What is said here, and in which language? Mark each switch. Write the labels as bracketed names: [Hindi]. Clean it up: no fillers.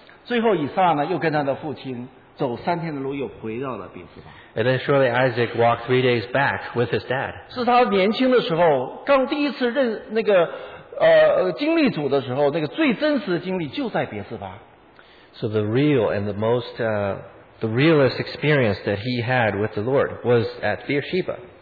[Chinese] 最后以撒呢，又跟他的父亲走三天的路，又回到了别墅旁。 [English] And then surely Isaac walked 3 days back with his dad. [Chinese] 是他年轻的时候，刚第一次认那个经历主的时候，那个最真实的经历就在别墅旁。 [English] So the real and the realest experience that he had with the Lord was at Beersheba.